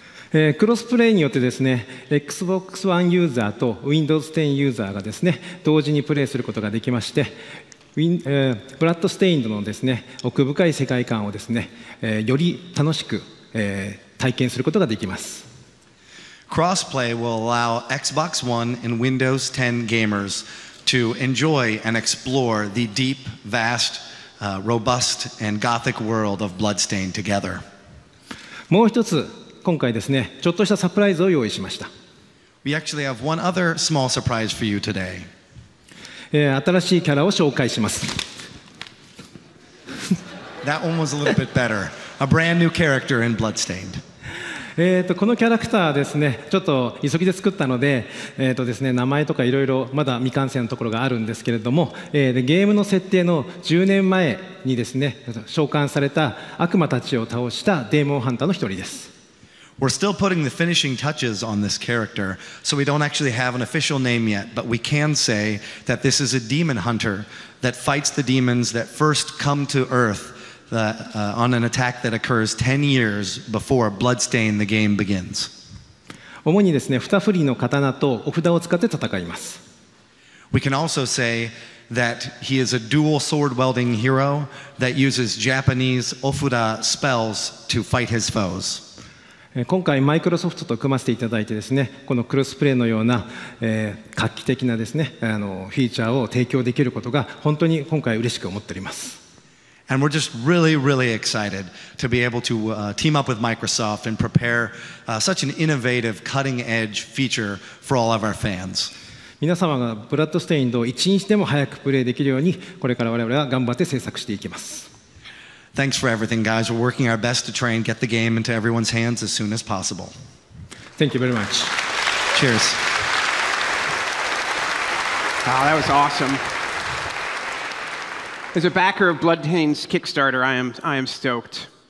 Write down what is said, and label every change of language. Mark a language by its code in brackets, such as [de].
[ja] クロスプレイによってですね、Xbox One ユーザーと Windows 10ユーザーがですね、同時にプレイすることができまして、Bloodstained のですね、奥深い世界観をですね、より楽しく、体験することができます。 [en] Crossplay will allow Xbox One and Windows 10 gamers to enjoy and explore the deep, vast, robust, and gothic world of Bloodstained together. [ja] もう一つ、今回ですね、ちょっとしたサプライズを用意しました。 [en] We actually have one other small surprise for you today. [ja] 新しいキャラを紹介します。 [en] That one was a little bit better. A brand new character in Bloodstained. [ja] このキャラクターですね、ちょっと急ぎで作ったので、ですね、名前とかいろいろまだ未完成のところがあるんですけれども、でゲームの設定の10年前にですね、召喚された悪魔たちを倒したデーモンハンターの一人です。 [en] We're still putting the finishing touches on this character, so we don't actually have an official name yet, but we can say that this is a demon hunter that fights the demons that first come to Earth on an attack that occurs 10 years before Bloodstain the game begins. [ja] 主にですね、二振りの刀とお札を使って戦います。 [en] We can also say that he is a dual sword welding hero that uses Japanese ofura spells to fight his foes. [ja] 今回マイクロソフトと組ませていただいてですね、このクロスプレイのような、画期的なですね、フィーチャーを提供できることが本当に今回嬉しく思っております。 [en] And we're just really, really excited to be able to team up with Microsoft and prepare such an innovative, cutting-edge feature for all of our fans. [ja] 皆様がブラッドステインドを一日でも早くプレイできるようにこれから我々は頑張って制作していきます。 [en] Thanks for everything, guys. We're working our best to try and get the game into everyone's hands as soon as possible. Thank you very much. Cheers. Wow, that was awesome. As a backer of Bloodstained's Kickstarter, I am stoked.